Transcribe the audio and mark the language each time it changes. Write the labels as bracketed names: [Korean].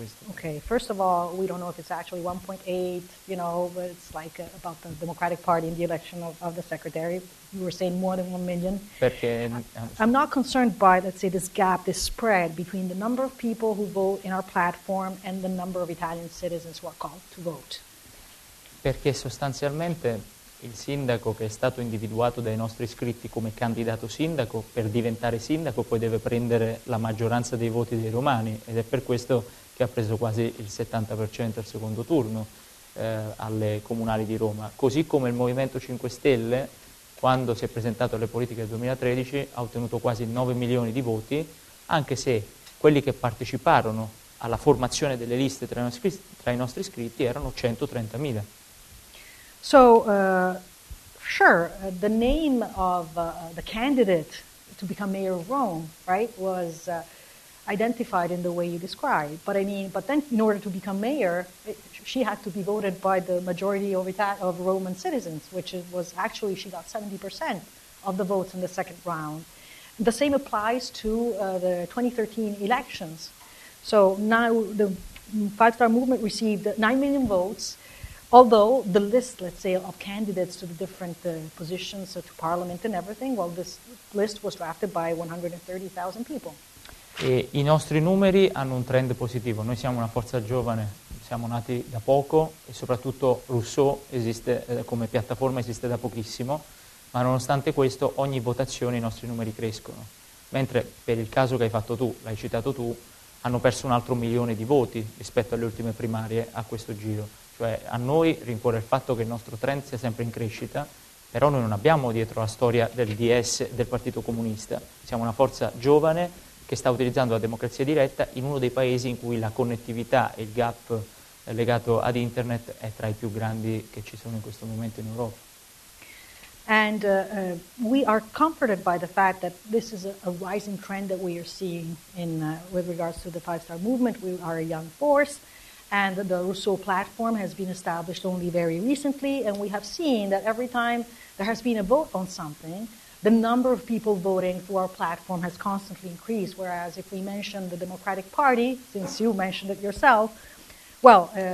[English] Okay, first of all, we don't know if it's actually 1.8, you know, but it's like about the Democratic Party and the election of the secretary. You were saying more than 1 million. [Italian] Perché, [English] I'm not concerned by, let's say, this gap, this spread between the number of people who vote in our platform and the number of Italian citizens who are called to vote. [Italian] Perché sostanzialmente il sindaco che è stato individuato dai nostri iscritti come candidato sindaco, per diventare sindaco poi deve prendere la maggioranza dei voti dei romani, ed è per questo che ha preso quasi il 70% al secondo turno alle comunali di Roma. Così come il Movimento 5 Stelle, quando si è presentato alle politiche del 2013, ha ottenuto quasi 9 milioni di voti, anche se quelli che parteciparono alla formazione delle liste tra i nostri iscritti erano 130.000. [English] So, sure, the name of the candidate to become mayor of Rome, right, was identified in the way you described. But I mean, but then in order to become mayor, she had to be voted by the majority of Roman citizens, which was actually, she got 70% of the votes in the second round. The same applies to the 2013 elections. So now the five-star movement received 9 million votes. Although the list, let's say, of candidates to the different positions, so to parliament and everything, well, this list was drafted by 130,000 people. [Italian] E i nostri numeri hanno un trend positivo. Noi siamo una forza giovane, siamo nati da poco, e soprattutto Rousseau esiste come piattaforma, esiste da pochissimo, ma nonostante questo, ogni votazione i nostri numeri crescono. Mentre per il caso che hai fatto tu, l'hai citato tu, hanno perso un altro milione di voti rispetto alle ultime primarie a questo giro. Cioè, a noi rincuore il fatto che il nostro trend sia sempre in crescita, però noi non abbiamo dietro la storia del DS, del Partito Comunista. Siamo una forza giovane che sta utilizzando la democrazia diretta in uno dei paesi in cui la connettività e il gap legato ad internet è tra i più grandi che ci sono in questo momento in Europa. [English] And we are comforted by the fact that this is a rising trend that we are seeing in with regards to the Five Star Movement. We are a young force. And the Rousseau platform has been established only very recently, and we have seen that every time there has been a vote on something, the number of people voting through our platform has constantly increased, whereas if we mention the Democratic Party, since you mentioned it yourself, well,